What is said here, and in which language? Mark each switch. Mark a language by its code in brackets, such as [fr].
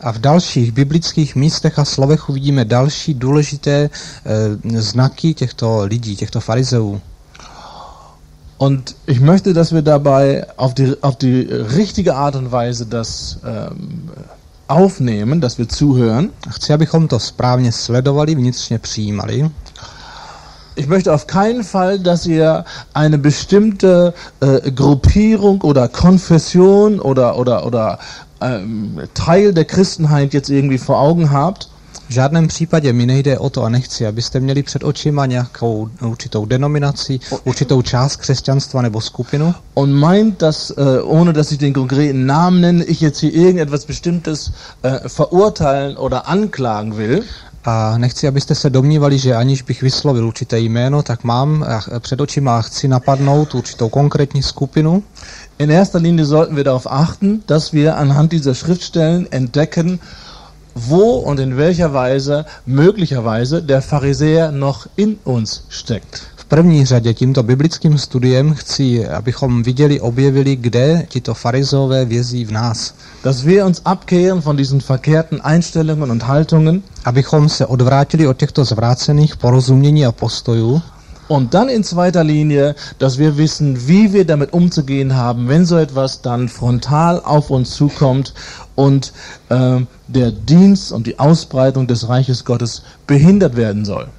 [cs] A v dalších biblických místech a slovech uvidíme další důležité znaky těchto lidí, těchto farizeů. [de] Und ich möchte, dass wir dabei auf die richtige Art und Weise das aufnehmen, dass wir zuhören. [cs] Chci, abychom to správně sledovali, vnitřně přijímali. [de] Ich möchte auf keinen Fall, dass ihr eine bestimmte Gruppierung oder Konfession oder Teil der Christenheit jetzt irgendwie vor Augen habt. [cs] V žádném případě mi nejde o to a nechci, abyste měli před očima nějakou určitou denominaci, určitou část křesťanstva nebo skupinu. [de] On meint, dass ohne dass ich den konkreten Namen nenne, ich jetzt hier irgendetwas bestimmtes verurteilen oder anklagen will. [cs] A nechci, abyste se domnívali, že aniž bych vyslovil určité jméno, tak mám před očima a chci napadnout určitou konkrétní skupinu. [de] In erster Linie sollten wir darauf achten, dass wir anhand dieser Schriftstellen entdecken, wo und in welcher Weise möglicherweise der Pharisäer noch in uns steckt. [cs] V první řadě tímto biblickým studiem chci, abychom viděli, objevili, kde tito farizové vězí v nás. [de] Dass wir uns abkehren von diesen verkehrten Einstellungen und Haltungen. [cs] Abychom se odvrátili od těchto zvrácených porozumění a postojů. [de] Und dann in zweiter Linie, dass wir wissen, wie wir damit umzugehen haben, wenn so etwas dann frontal auf uns zukommt und der Dienst und die Ausbreitung des Reiches Gottes behindert werden soll.